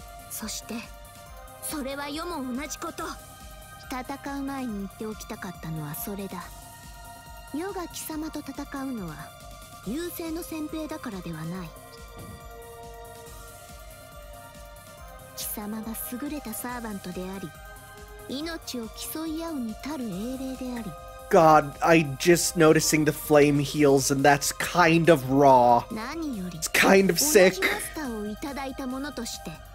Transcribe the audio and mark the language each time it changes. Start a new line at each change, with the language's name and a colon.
Japanese: そして それはよも同じこと。戦う前に言っておきたかったのはそれだ。余が貴様と戦うのは優勢の先兵だからではない。貴様が優れた servantであり、命を競い合うに足る英霊であり。
English: God, I just noticing the flame heals and that's kind of raw.
Japanese: 何より、
English: It's kind of sick.
Japanese: 同じマスターをいただいたものとして